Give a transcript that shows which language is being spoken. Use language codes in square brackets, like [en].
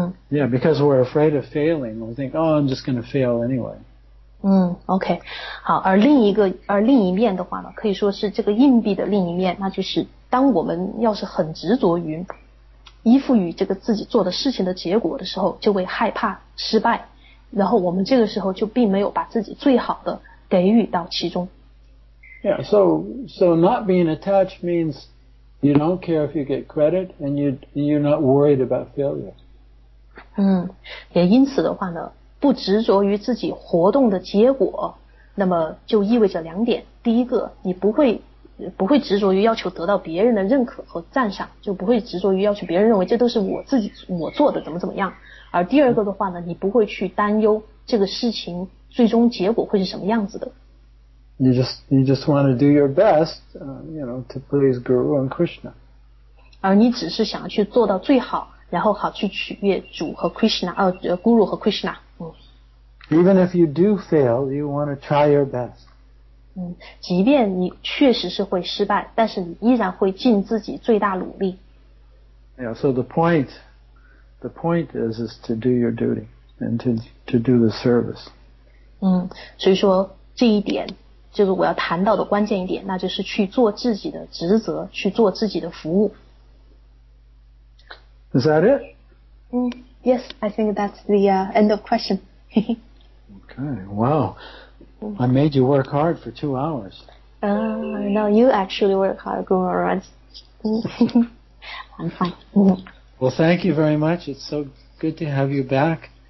[en] Yeah, because we're afraid of failing. We think, oh, I'm just going to fail anyway. [zh] OK, 好，而另一面的话呢，可以说是这个硬币的另一面，那就是当我们要是很执着于依附于这个自己做的事情的结果的时候，就会害怕失败，然后我们这个时候就并没有把自己最好的给予到其中。 [en] Yeah, so not being attached means you don't care if you get credit and you're not worried about failure. [zh] 也因此的话呢，不执着于自己活动的结果，那么就意味着两点。第一个，你不会执着于要求得到别人的认可和赞赏，就不会执着于要求别人认为这都是我做的怎么怎么样。而第二个的话呢，你不会去担忧这个事情最终结果会是什么样子的。 [en] You just want to do your best, you know, to please Guru and Krishna. [zh] 而你只是想要去做到最好，然后好去取悦主和 Krishna, Guru 和 Krishna。 [en] Even if you do fail, you want to try your best. [zh] 即便你确实是会失败，但是你依然会尽自己最大努力。 [en] Yeah, so the point is to do your duty and to do the service. [zh] 所以说这一点，就是我要谈到的关键一点，那就是去做自己的职责，去做自己的服务。 [en] Is that it? Yes, I think that's the end of question. Okay, wow. I made you work hard for 2 hours. No, you actually work hard, Guru. I'm fine. Well, thank you very much. It's so good to have you back.